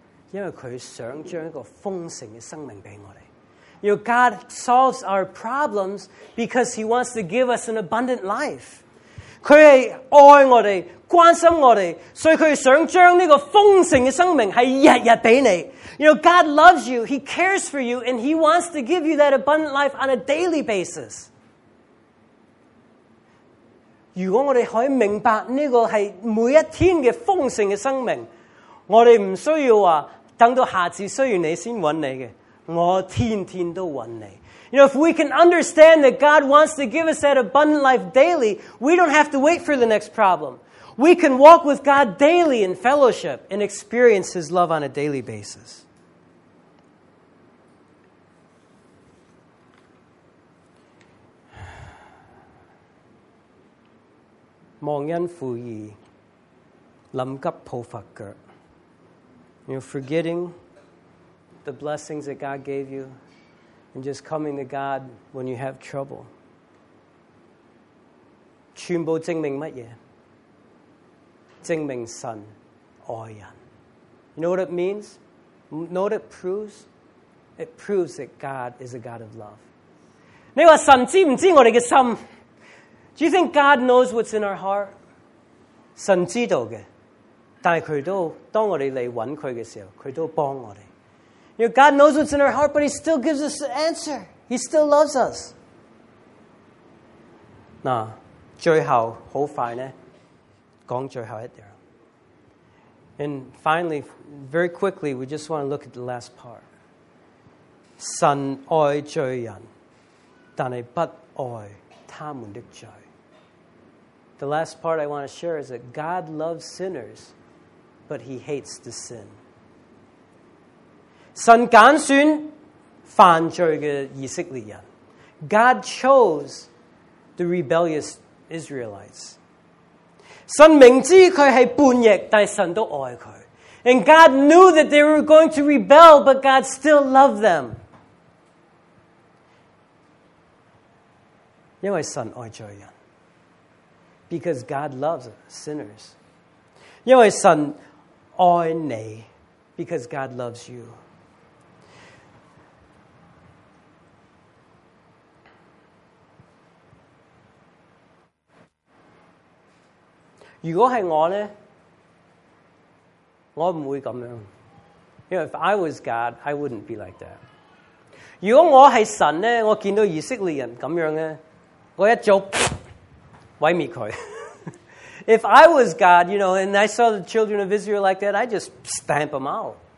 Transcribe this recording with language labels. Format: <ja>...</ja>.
<zh>因为他想将一个丰盛的生命给我们。</zh> <en>You know, God solves our problems because He wants to give us an abundant life.</en> <zh>他是爱我们，关心我们，所以他想将这个丰盛的生命是日日给你。</zh> <en>You know, God loves you, He cares for you, and He wants to give you that abundant life on a daily basis.</en> <zh>如果我们可以明白这个是每一天的丰盛的生命，我哋唔需要话等到下次需要你先揾你嘅，我天天都揾你。</zh> <en>You know, if we can understand that God wants to give us that abundant life daily, we don't have to wait for the next problem. We can walk with God daily in fellowship and experience His love on a daily basis.</en> <zh>忘恩负义，临急抱佛脚。</zh> <en>You know, forgetting the blessings that God gave you and just coming to God when you have trouble.</en> <zh>全部证明什么？证明神爱人。</zh> <en>You know what it means? Know what it proves? It proves that God is a God of love.</en> <zh>你说神知不知我们的心？</zh> <en>Do you think God knows what's in our heart?</en> <zh>神知道的。但是他都当我们来找他的时候，他都帮我们。</zh> <en>You know, God knows what's in our heart, but He still gives us the answer. He still loves us.</en> <zh>那最后很快呢，讲最后一点。</zh> <en>And finally, very quickly, we just want to look at the last part.</en> <zh>神爱罪人，但是不爱他们的罪。</zh> <en>The last part I want to share is that God loves sinners, but He hates the sin.</en> <zh>神拣选犯罪的以色列人。</zh> <en>God chose the rebellious Israelites.</en> <zh>神明知他是叛逆，但神都爱他。</zh> <en>And God knew that they were going to rebel, but God still loved them.</en> <zh>因为神爱罪人。</zh> <en>Because God loves sinners.</en> <zh>因为神</zh> <en>awe and nay, because God loves you. If I was God, I wouldn't be like that.</en> <zh>如果我是神呢,我看到以色列人这样,我一早毁灭他。</zh> <en>If I was God, you know, and I saw the children of Israel like that, I'd just stamp them out.</en>